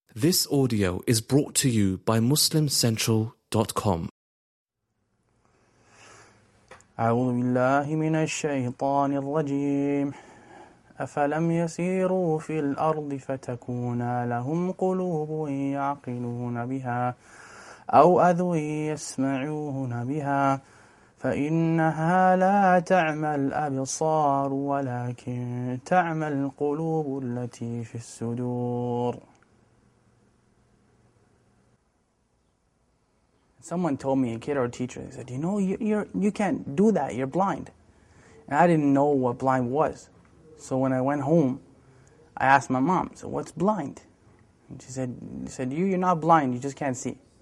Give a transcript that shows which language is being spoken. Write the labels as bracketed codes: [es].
[en] This audio is brought to you by MuslimCentral.com. [ar] أعوذ بالله من الشيطان الرجيم. أفلم يسيروا في الأرض فتكون لهم قلوب يعقلون بها أو أذن يسمعون بها فإنها لا تعمى الأبصار ولكن تعمى القلوب التي في الصدور. [en] Someone told me, a kid or a teacher, they said, you know, you can't do that, you're blind. And I didn't know what blind was. So when I went home, I asked my mom, so what's blind? And she said, you're not blind, you just can't see.